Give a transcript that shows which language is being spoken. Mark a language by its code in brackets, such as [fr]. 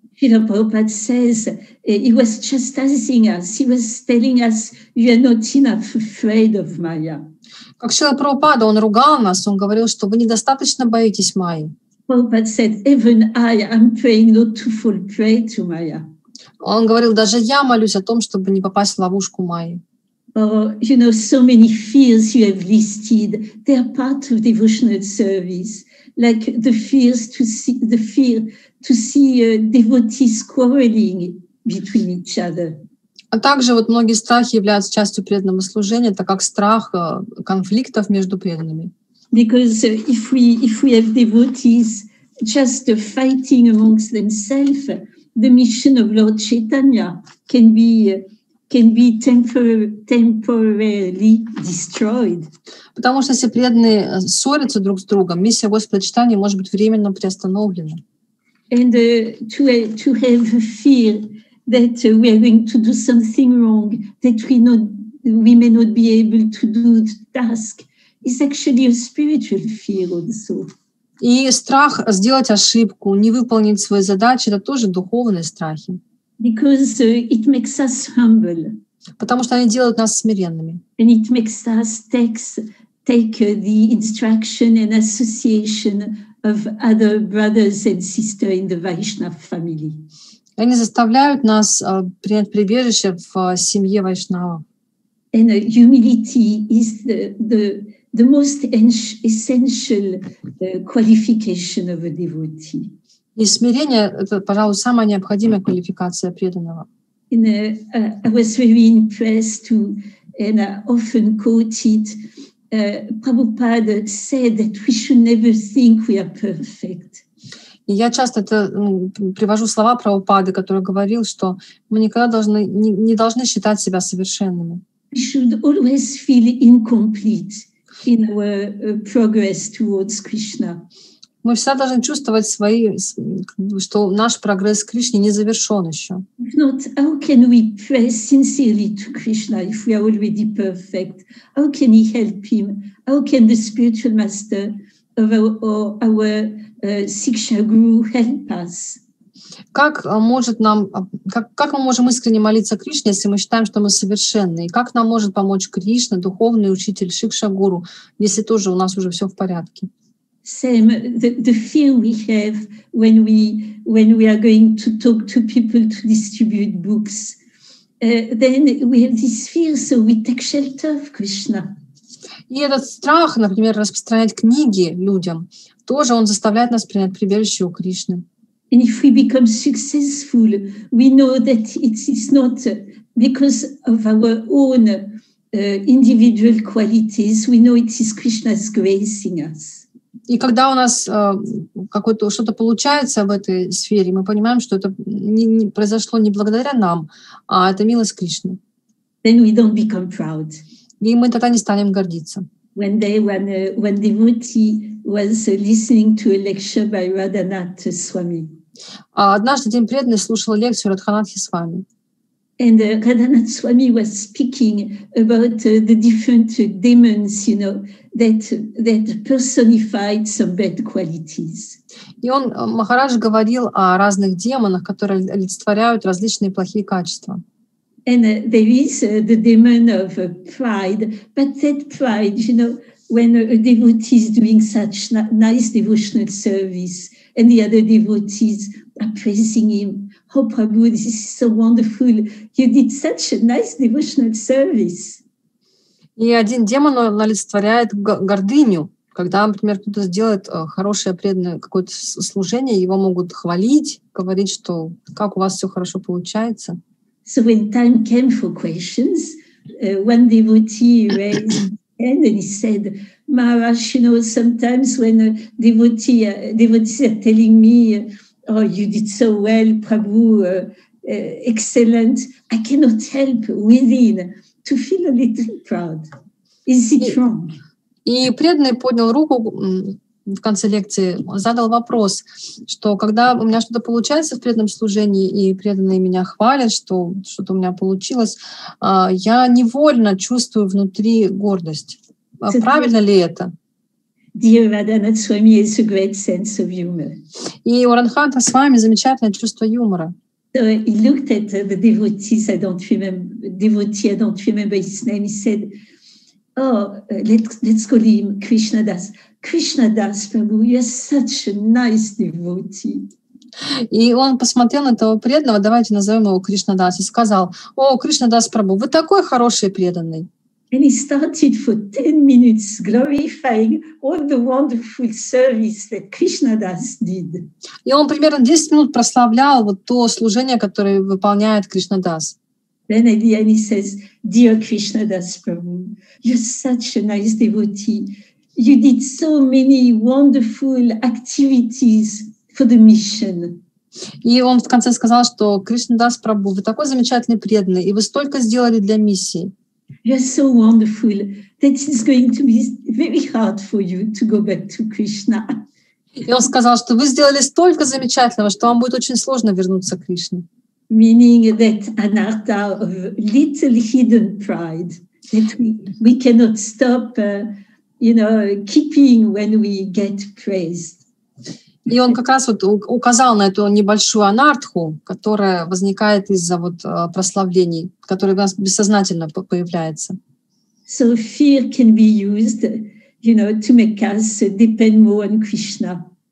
[en] Srila Prabhupada says he was chastising us. He was telling us you are not enough afraid of Maya. [ru] Как Srila Prabhupada, он ругал нас. Он говорил, что вы недостаточно боитесь Майи. [en] Prabhupada said, even I am praying not to fall prey to Maya. [ru] Он говорил, даже я молюсь о том, чтобы не попасть в ловушку Майи. [en] You know, so many fears you have listed, they are part of devotional service. Like the fears to see, the fear to see devotees quarreling between each other. [ru] А также вот многие страхи являются частью преданного служения, это как страх конфликтов между преданными. [en] Because if we have devotees just fighting amongst themselves, the mission of Lord Chaitanya can be temporarily destroyed. [ru] Потому что если преданные ссорятся друг с другом, миссия Господа Чайтаньи может быть временно приостановлена. [en] And to have fear that we are going to do something wrong, that we may not be able to do the task, is actually a spiritual fear also. [ru] И страх сделать ошибку, не выполнить свои задачи, это тоже духовные страхи. [en] Because it makes us humble. [ru] Потому что они делают нас смиренными. [en] And it makes us take the instruction and association of other brothers and sisters in the Vaishnava family. [ru] Они заставляют нас принять прибежище в семье Вайшнава. [en] And humility is the most essential qualification of a devotee. [ru] И смирение – это, пожалуй, самая необходимая квалификация преданного. [en] And, I was very impressed to, and I often quoted, Prabhupada said that we should never think we are perfect. [ru] И я часто это, привожу слова Прабхупады, который говорил, что мы никогда должны, не должны считать себя совершенными. [en] We should always feel incomplete in our progress towards Krishna. [ru] Мы всегда должны чувствовать свои, что наш прогресс к Кришне не завершен еще. [en] If not, how can we pray sincerely to Krishna if we are already perfect? How can he help him? How can the spiritual master of our Siksha Guru help us? [ru] Как может нам, как мы можем искренне молиться Кришне, если мы считаем, что мы совершенны? И как нам может помочь Кришна, духовный учитель Шикша Гуру, если тоже у нас уже все в порядке? [en] Same the fear we have when we are going to talk to people to distribute books. Then we have this fear, so we take shelter of Krishna. [ru] И этот страх, например, распространять книги людям, тоже он заставляет нас принять прибежище у Кришны. [en] And if we become successful, we know that it's not because of our own individual qualities. We know it is Krishna's gracing us. [ru] И когда у нас какое-то что-то получается в этой сфере, мы понимаем, что это не произошло не благодаря нам, а это милость Кришны. [en] Then we don't become proud. [ru] И мы тогда не станем гордиться. [en] One day when devotee was listening to a lecture by Radhanath Swami. [ru] Однажды один преданный слушал лекцию Радханатхи Свами. [en] And Radhanath Swami was speaking about the different demons, you know, that personified some bad qualities. [ru] И он, Махарадж, говорил о разных демонах, которые олицетворяют различные плохие качества. [en] And there is the demon of pride, but that pride, you know, when a devotee is doing such nice devotional service and the other devotees are praising him, oh, Prabhu, this is so wonderful. You did such a nice devotional service. [ru] И один демон олицетворяет гордыню. Когда, например, кто-то сделает хорошее преданное какое-то служение, его могут хвалить, говорить, что как у вас все хорошо получается. [en] So when time came for questions, one devotee raised his hand and he said, Maharaj, you know, sometimes when a devotees are telling me, oh, you did so well, Prabhu, excellent, I cannot help within to feel a little proud. Is it wrong? [ru] И преданный поднял руку в конце лекции, задал вопрос, что когда у меня что-то получается в преданном служении, и преданные меня хвалят, что что-то у меня получилось, я невольно чувствую внутри гордость. Правильно ли это? [en] Dear Radhanath Swami has a great sense of humor. [ru] И у Радханатха Свами замечательное чувство юмора. [en] So he looked at the devotees, I don't remember his name, he said, oh, let's call him Krishna Das. Krishna Das Prabhu, you are such a nice devotee. [ru] И он посмотрел на этого преданного, давайте назовем его Кришна Дас, и сказал: «О, Кришна Дас Прабху, вы такой хороший преданный». [en] And he started for 10 minutes glorifying all the wonderful service that Krishna Das did. [ru] И он примерно 10 минут прославлял вот то служение, которое выполняет Кришна Дас. [en] Then at the end he says, «Dear Krishna Das Prabhu, you're such a nice devotee. You did so many wonderful activities for the mission». [ru] И он в конце сказал, что Кришна Дас Прабху, вы такой замечательный преданный, и вы столько сделали для миссии. [en] You are so wonderful that it's going to be very hard for you to go back to Krishna. [ru] И он сказал, что вы сделали столько замечательного, что вам будет очень сложно вернуться к Кришне. [en] Meaning that anatta of little hidden pride that we cannot stop, you know, keeping when we get praised. [ru] И он как раз вот указал на эту небольшую анартху, которая возникает из-за вот прославлений, которые у нас бессознательно появляются. [en] So fear can be used, you know, to make us depend more on Krishna.